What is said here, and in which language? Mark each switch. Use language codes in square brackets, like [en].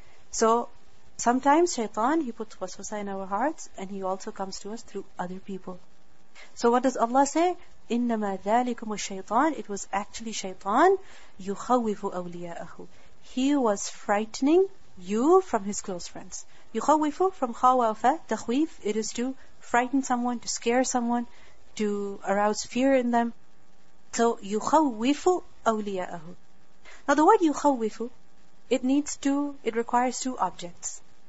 [en] So, sometimes shaitan, he puts waswasa in our hearts, and he also comes to us through other people. So what does Allah say? [ar] إِنَّمَا ذَلِكُمُ الشَّيْطَانِ. [en] It was actually shaitan. [ar] يُخَوِّفُ أَوْلِيَاءَهُ. [en] He was frightening you from his close friends. [ar] يُخَوِّفُ from خَوَافَ تَخْوِيف. [en] It is to frighten someone, to scare someone, to arouse fear in them. [ar] So يُخَوِّفُ أَوْلِيَاءَهُ. [en] Now the word يُخَوِّفُ, It requires two objects.